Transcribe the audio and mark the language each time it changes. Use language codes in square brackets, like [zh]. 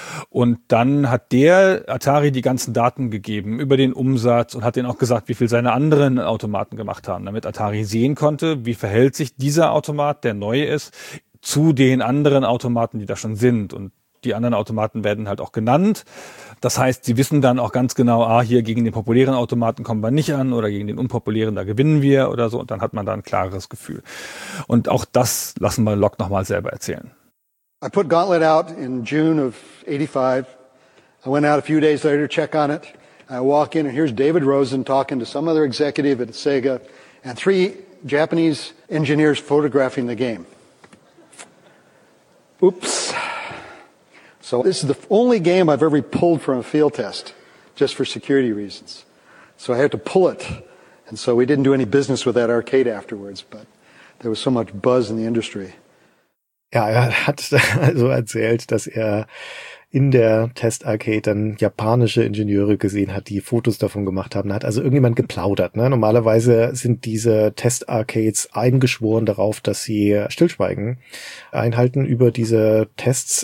[de] Und dann hat der Atari die ganzen Daten gegeben über den Umsatz und hat denen auch gesagt, wie viel seine anderen Automaten gemacht haben, damit Atari sehen konnte, wie verhält sich dieser Automat, der neu ist, zu den anderen Automaten, die da schon sind. Und die anderen Automaten werden halt auch genannt. Das heißt, sie wissen dann auch ganz genau, ah, hier gegen den populären Automaten kommen wir nicht an oder gegen den unpopulären, da gewinnen wir oder so. Und dann hat man da ein klareres Gefühl. Und auch das lassen wir Locke nochmal selber erzählen. [en] I put Gauntlet out in June of 85. I went out a few days later to check on it. I walk in and here's David Rosen talking to some other executive at Sega and three Japanese engineers photographing the game. Oops. So this is the only game I've ever pulled from a field test, just for security reasons. So I had to pull it, and so we didn't do any business with that arcade afterwards, but there was so much buzz in the industry. [de] Ja, er hat also erzählt, dass er in der Test-Arcade dann japanische Ingenieure gesehen hat, die Fotos davon gemacht haben. Da hat also irgendjemand geplaudert. Ne? Normalerweise sind diese Test-Arcades eingeschworen darauf, dass sie Stillschweigen einhalten über diese Tests.